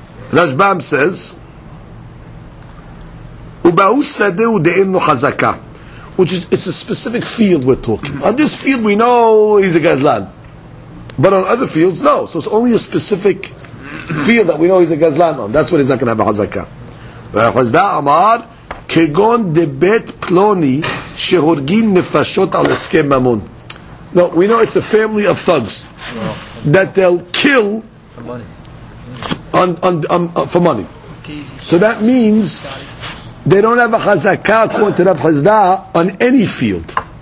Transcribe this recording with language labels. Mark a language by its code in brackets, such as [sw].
[en] Rashbam says, [he] Uba'u sadeh ude'innu hazaka. [en] Which is, it's a specific field we're talking. On this field we know he's a gazlan. But on other fields, no. So it's only a specific field that we know he's a gazlan on. That's what he's not going to have a hazaka. [he] והחזדה אמר כגון דבית פלוני שהורגים נפשות על הסכם ממון. [en] No, we know it's a family of thugs that they'll kill for money. So that means they don't have a chazaka according to Rav Chazda on any field.